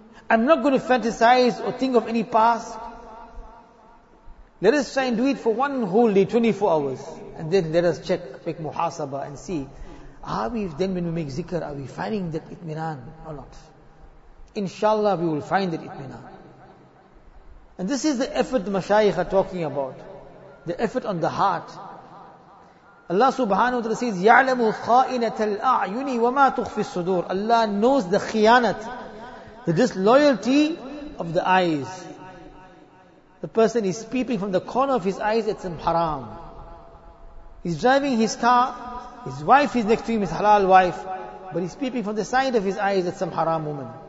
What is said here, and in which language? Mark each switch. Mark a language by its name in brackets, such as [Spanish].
[English] I'm not going to fantasize or think of any past. Let us try and do it for one whole day, 24 hours. And then let us check, make muhasabah and see. Then when we make zikr, are we finding that itminan or not? Inshallah, we will find that itminan. And this is the effort the mashayikh are talking about. The effort on the heart. Allah subhanahu wa ta'ala says, [Arabic] يَعْلَمُ خَائِنَةَ الْأَعْيُنِ وَمَا تُخْفِي الصُّدُورِ. [English] Allah knows the khiyanat, the disloyalty of the eyes. The person is peeping from the corner of his eyes at some haram. He's driving his car, his wife is next to him, his halal wife, but he's peeping from the side of his eyes at some haram woman.